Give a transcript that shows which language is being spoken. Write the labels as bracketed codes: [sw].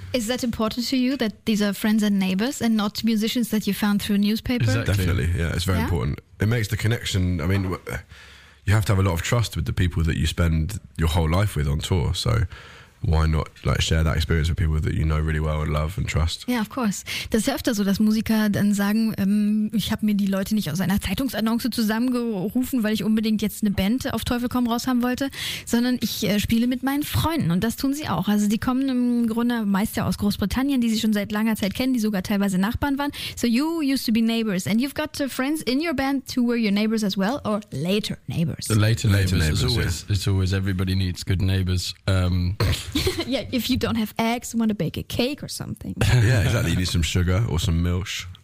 [en] Is that important to you, that these are friends and neighbours and not musicians that you found through a newspaper? Exactly. Definitely, yeah, it's very important. It makes the connection, I mean, you have to have a lot of trust with the people that you spend your whole life with on tour, so... Why not like share that experience with people that you know really well and love and trust? Yeah, of course. [de] Das ist ja öfter so, dass Musiker dann sagen, ich habe mir die Leute nicht aus einer Zeitungsannonce zusammengerufen, weil ich unbedingt jetzt eine Band auf Teufel komm raus haben wollte, sondern ich spiele mit meinen Freunden und das tun sie auch. Also die kommen im Grunde meist ja aus Großbritannien, die sie schon seit langer Zeit kennen, die sogar teilweise Nachbarn waren. [en] So you used to be neighbors and you've got friends in your band who were your neighbors as well or later neighbors? Later neighbors. It's always everybody needs good neighbors. Yeah, if you don't have eggs, you want to bake a cake or something. Yeah, exactly. You need some sugar or some milch.